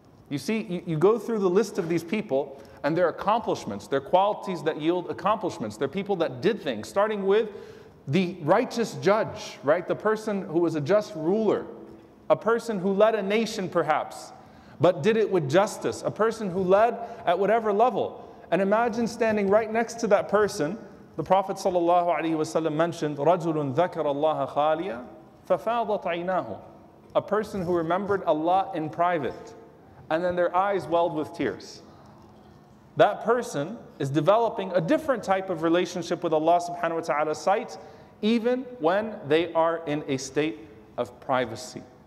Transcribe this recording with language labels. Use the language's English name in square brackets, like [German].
[English] You see, you go through the list of these people and their accomplishments, their qualities that yield accomplishments, their people that did things, starting with the righteous judge, right? The person who was a just ruler, a person who led a nation perhaps, but did it with justice, a person who led at whatever level. And imagine standing right next to that person. The Prophet ﷺ mentioned, [Arabic] رَجُلٌ ذَكَرَ اللَّهَ خَالِيَا فَفَاضَتْ عَيْنَاهُ. [English] A person who remembered Allah in private, and then their eyes welled with tears. That person is developing a different type of relationship with Allah subhanahu wa ta'ala's sight, even when they are in a state of privacy.